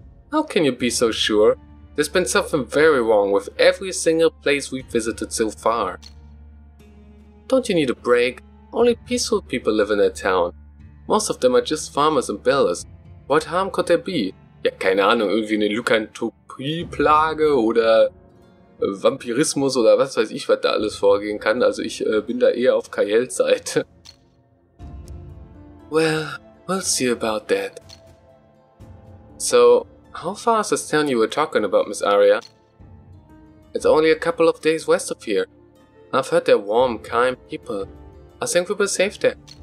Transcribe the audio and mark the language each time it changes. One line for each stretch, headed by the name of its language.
English: How can you be so sure? There's been something very wrong with every single place we've visited so far. Don't you need a break? Only peaceful people live in that town. Most of them are just farmers and builders. What harm could there be?
German: Ja, keine Ahnung, irgendwie eine Lycanthropie-Plage oder Vampirismus oder was weiß ich, was da alles vorgehen kann. Also ich bin da eher auf Kael's Seite.
English: Well, we'll see about that. So, how far is this town you were talking about, Miss Arya? It's only a couple of days west of here. I've heard they're warm, kind people. I think we'll be safe there.